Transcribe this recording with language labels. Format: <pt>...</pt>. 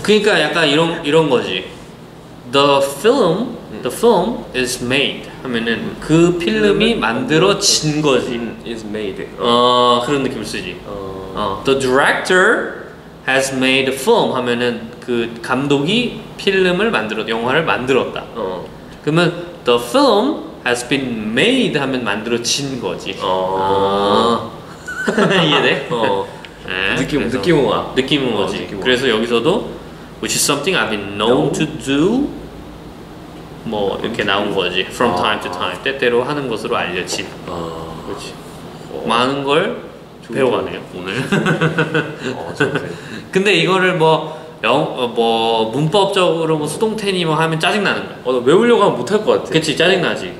<ko>그러니까 약간 이런 거지.</ko> <en>The film is made</en> <ko>하면은 그 필름이 만들어진 거지.</ko> <en>Is made.</en> <ko>어, 그런 느낌을 쓰지.</ko> <en>The director. has made a film</en> <ko>하면은 그 감독이 필름을 만들었다, 영화를 만들었다. 어. 그러면</ko> <en>the film has been made</en> <ko>하면 만들어진 거지. 어. 아. 이해돼? 어. 네, 느낌, 느낌 와. 느낌은 어, 거지. 느낌 그래서 여기서도</ko> <en>which is something I've been known to do</en> <ko>뭐 이렇게 나온 거지.</ko> <en>From 아. time to time</en> <ko>때때로 하는 것으로 알려진. 아. 그렇지. 어. 많은 걸 배워가네요 오늘. 근데 이거를 뭐 문법적으로 뭐 수동태니 뭐 하면 짜증나는 거야. 어, 너 외우려고 하면 못할 것 같아. 그치, 짜증나지.</ko>